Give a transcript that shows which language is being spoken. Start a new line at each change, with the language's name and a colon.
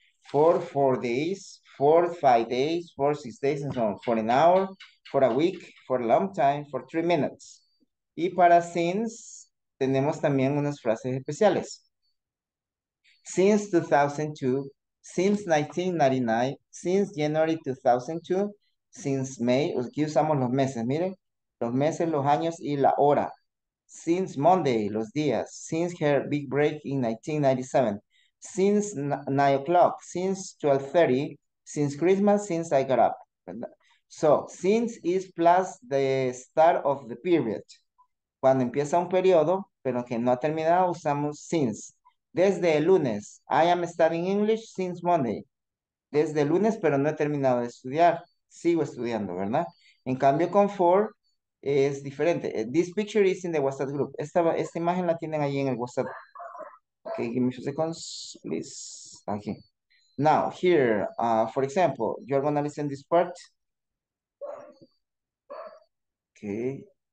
English: For 4 days, for 5 days, for 6 days, and so on. For an hour, for a week, for a long time, for 3 minutes.
Spanish: Y para since, tenemos también unas frases especiales.
English: Since 2002, since 1999, since January 2002, since May.
Spanish: Aquí usamos los meses, miren. Los meses, los años y la hora.
English: Since Monday,
Spanish: los días,
English: since her big break in 1997, since 9 o'clock, since 12:30, since Christmas, since I got up. So, since is plus the start of the period.
Spanish: Cuando empieza un periodo, pero que no ha terminado, usamos since. Desde el lunes,
English: I am studying English since Monday.
Spanish: Desde el lunes, pero no he terminado de estudiar. Sigo estudiando, ¿verdad? En cambio, con for, es diferente.
English: This picture is in the WhatsApp group.
Spanish: Esta imagen la tienen ahí en el WhatsApp.
English: Okay, give me a few seconds, please. Okay. Now, here, for example, you're going to listen this part. Okay.